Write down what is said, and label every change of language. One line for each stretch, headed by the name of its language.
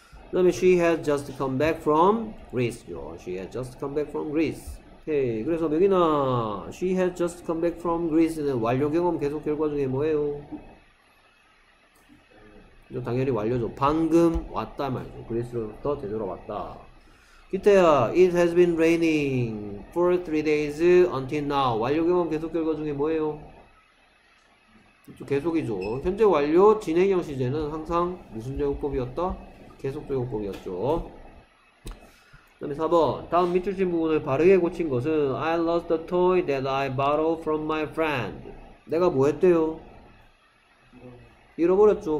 Korean: 그 다음에
English: she has just come back from Greece죠. She has just come back from Greece.
Korean: 오케이. 그래서 여기는
English: she has just come back from Greece
Korean: 는 완료 경험 계속 결과 중에 뭐예요? 당연히 완료죠. 방금 왔다 말이죠. 그리스로부터 되돌아왔다.
English: 기태야, it has been raining for 3 days until now.
Korean: 완료 경험 계속 결과 중에 뭐예요? 계속이죠. 현재 완료 진행형 시제는 항상 무슨 제곱법이었다? 계속적 제곱법이었죠. 그 다음에 4번. 다음 밑줄 친 부분을 바르게 고친 것은
English: I lost the toy that I borrowed from my friend.
Korean: 내가 뭐 했대요? 잃어버렸죠.